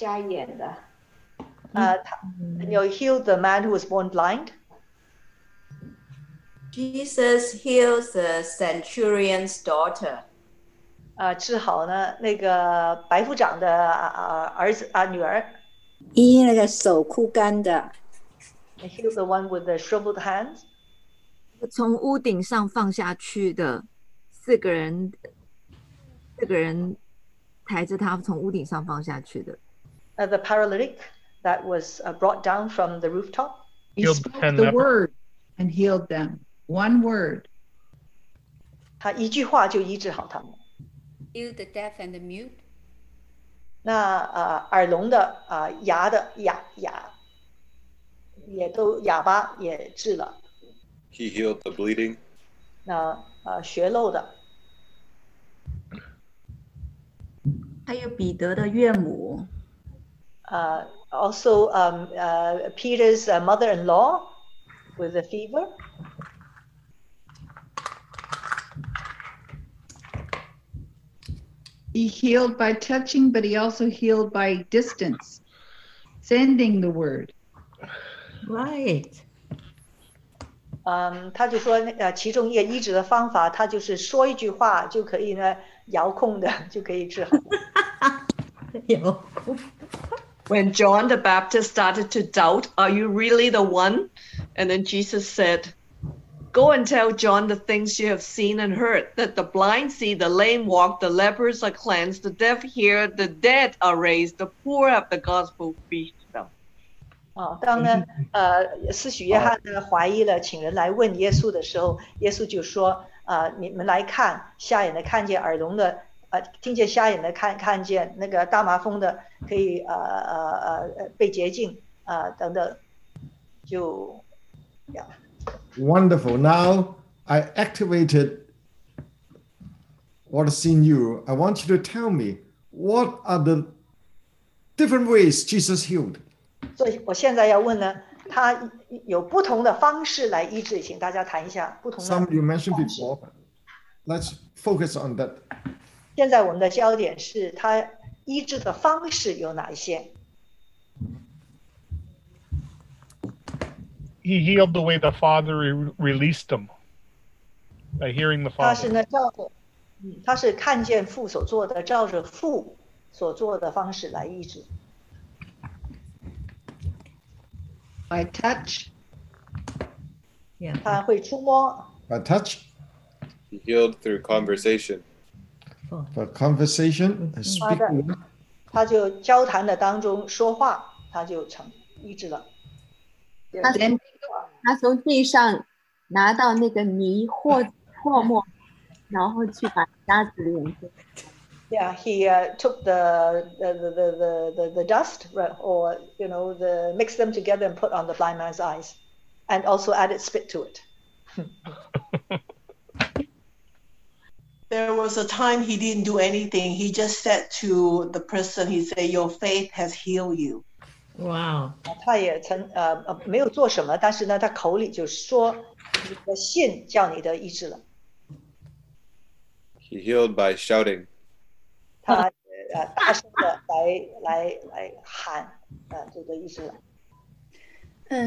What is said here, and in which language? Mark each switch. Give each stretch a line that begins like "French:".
English: You healed the man who was born blind. Jesus heals the centurion's daughter.
Chinese: 治好呢那个白夫长的儿子啊女儿。医那个手枯干的。
English: Heals the one with the shriveled hands.
Chinese: 从屋顶上放下去的四个人抬着他从屋顶上放下去的。
English: The paralytic that was brought down from the rooftop. He spoke the word and healed them. One word.
Chinese: 他一句话就医治好他们。
English: Heal the deaf and the mute.
Chinese: 那耳聋的哑的哑也都哑巴也治了。
English: He healed the bleeding.
Chinese: 那血漏的。还有彼得的岳母。
English: Also Peter's mother-in-law with a fever. He healed by touching, but he also healed by distance, sending the word. Right.
Chinese: 他就说其中一个医治的方法，他就是说一句话就可以呢，遥控的就可以治好。遥控。
English: When John the Baptist started to doubt, "Are you really the one?" and then Jesus said. Go and tell John the things you have seen and heard, that the blind see, the lame walk, the lepers are cleansed, the deaf hear, the dead are raised, the poor have the gospel preached them.
Chinese: 当呢司许约翰呢怀疑了请人来问耶稣的时候，耶稣就说你们来看，瞎眼的看见，耳聋的听见，瞎眼的看见那个大麻风的可以被洁净等等就
English: 呀。Wonderful. Now I activated what is in you. I want you to tell me what are the different ways Jesus healed.
Chinese: So, 我现在要问呢，他有不同的方式来医治，请大家谈一下不同的。
English: Some you mentioned before. Let's focus on that.
Chinese: 现在我们的焦点是他医治的方式有哪一些。
English: He healed the way the Father released him by hearing the Father.
Chinese: 他是看见父所做的，照着父所做的方式来医治。
English: By touch. Yeah.
Chinese: 他会触摸。
English: By touch. He healed through conversation. By conversation, speaking.
Chinese: 他就交谈的当中说话，他就成医治了。他从地上拿到那个泥或唾沫，然后去把沙子连接。
English: Yeah, he took the dust, or you know, the mixed them together and put on the blind man's eyes, and also added spit to it. There was was a time he didn't do anything. He just said to the person, he said, your faith has healed you. Wow.
Chinese: 他也没有做什么, 但是呢, 他口里就说, 你的信叫你得医治了。
English: He healed by shouting.
Chinese: 他大声地来喊, 就得医治了。